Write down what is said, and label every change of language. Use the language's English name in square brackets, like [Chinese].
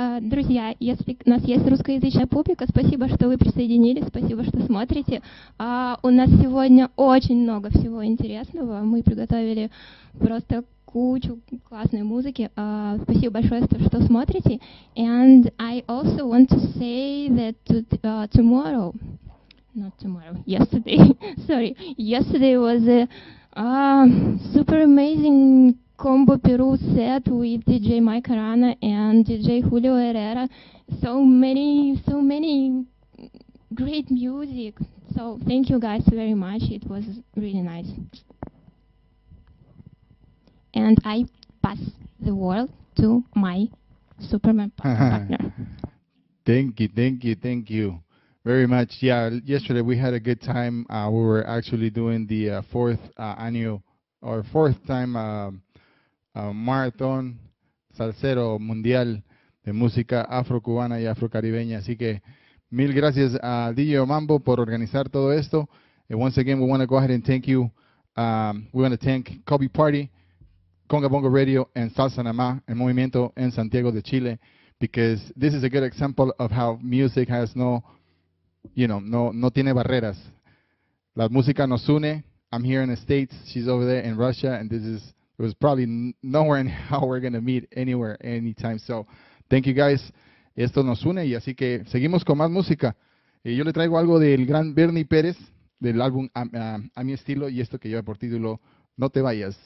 [Russian] Друзья, если у нас есть русскоязычная публика, спасибо, что вы присоединились, спасибо, что смотрите. У нас сегодня очень много всего интересного. Мы приготовили просто кучу классной музыки. Спасибо большое, что смотрите. [English] And I also want to say that yesterday was a super amazing combo Peru set with DJMike Arana and DJ Julio Herrera. So many great music. So thank you guys very much. It was really nice. And I pass the word to my Superman partner. Thank you. Very much. Yeah, yesterday we had a good time. We were actually doing the fourth time marathon [Spanish] salsero mundial de música afrocubana y afrocaribeña. Así que mil gracias a DJ Mambo por organizar todo esto. [English] And once again, we want to go ahead and thank you. We want to thank Kobe Party, Conga Bongo Radio, and Salsa Namá, El Movimiento en Santiago de Chile, because this is a good example of how music has [Spanish] no tiene barreras. La música nos une. [English] I'm here in the States, she's over there in Russia, and it was probably nowhere in how we're going to meet anywhere, anytime. So, thank you guys. [Spanish] Esto nos une, y así que seguimos con más música. Y yo le traigo algo del gran Bernie Pérez, del álbum A Mi Estilo, y esto que lleva por título No Te Vayas.